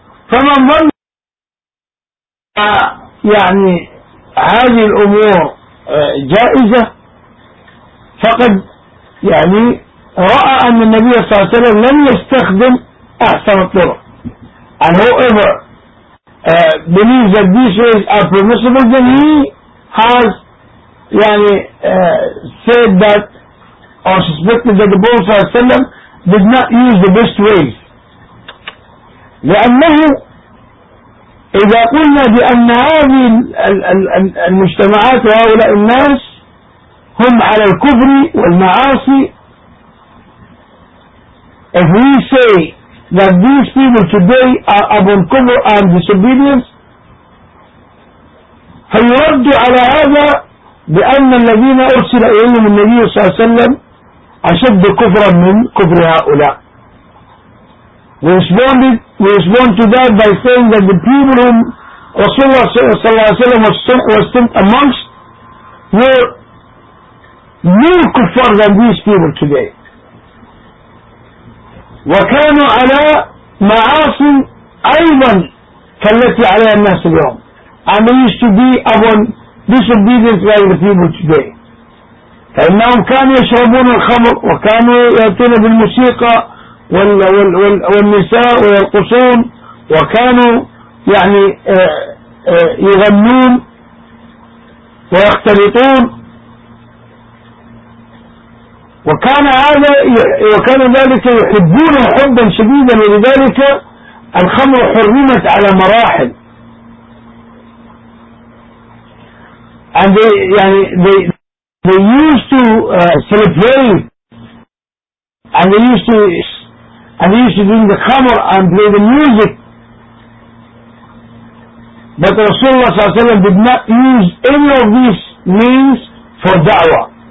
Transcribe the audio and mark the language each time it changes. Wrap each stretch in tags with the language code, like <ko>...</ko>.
<ar>فَمَنْ يعني هذه الأمور جائزة فقد يعني رأى أن النبي صلى الله عليه وسلم لم يستخدم أحسن الطرق.</ar> <en>And whoever believes that these ways are permissible, then he has يعني said that or suspected that the Prophet صلى الله عليه وسلم did not use the best ways.</en> <ar>لأنه إذا قلنا بأن هذه المجتمعات وهؤلاء الناس هم على الكفر والمعاصي,</ar> <en>if we say that these people today are upon kufr and disobedience,</en> <ar>فيرد على هذا بأن الذين أرسل إليهم النبي صلى الله عليه وسلم أشد كفرا من كفر هؤلاء.</ar> <en>We respond to that by saying that the people whom Rasulullah sallallahu alayhi wa sallam was sent amongst were more kuffar than these people today.</en> <ar>وَكَانُوا عَلَى مَعَاصٍ أَيْضًا كَالَّتِي عَلَيَا النَّاسِ الْيَوْمِ.</ar> <en>And they used to be upon disobedience like the people today.</en> <ar>فَإِنَّهُمْ كَانُوا يَشْرَبُونَ الْخَمْرَ وَكَانُوا يَأْتُونَ بِالْمُوسِيقَى والنساء والقصون وكانوا يعني يغنون ويختلطون وكان هذا وكان ذلك يحبون حبا شديدا, ولذلك الخمر حرمت على مراحل.</ar> <en>And they,</en> <ar>يعني they,</ar> <en>they used to celebrate, and they used to bring the khamr and play the music. But Rasulullah sallallahu alayhi wa sallam did not use any of these means for da'wah.</en>